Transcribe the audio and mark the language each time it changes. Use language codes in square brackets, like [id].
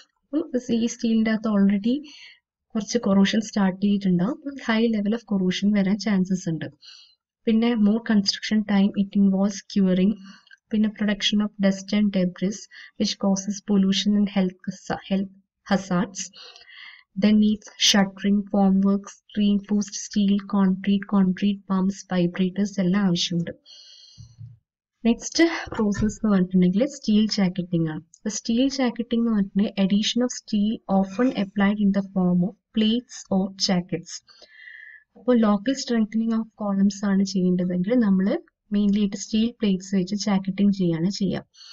[ml] അപ്പം ഈ സ്റ്റീലിൻ്റെ അകത്ത് ഓൾറെഡി കുറച്ച് കൊറോഷൻ സ്റ്റാർട്ട് ചെയ്തിട്ടുണ്ടാവും, [en] high level of corrosion [ml] വരാൻ ചാൻസസ് ഉണ്ട്. [en] പിന്നെ more construction time, it involves curing, പിന്നെ production of dust and debris which causes pollution and health hazards. Then needs shuttering, formworks, reinforced steel, concrete pumps, vibrators, [ml] എല്ലാം ആവശ്യമുണ്ട്. Next process എന്ന് പറഞ്ഞിട്ടുണ്ടെങ്കിൽ steel ജാക്കറ്റിംഗ് ആണ്. [en] steel jacketing [ml] എന്ന് പറഞ്ഞിട്ടുണ്ടെങ്കിൽ [en] Addition of steel often applied in the form of plates or jackets. [ml] അപ്പോൾ [en] local strengthening of columns [ml] ആണ് ചെയ്യേണ്ടതെങ്കിൽ നമ്മൾ മെയിൻലി ആയിട്ട് സ്റ്റീൽ പ്ലേറ്റ്സ് വെച്ച് ജാക്കറ്റിംഗ് ചെയ്യുകയാണ് ചെയ്യുക.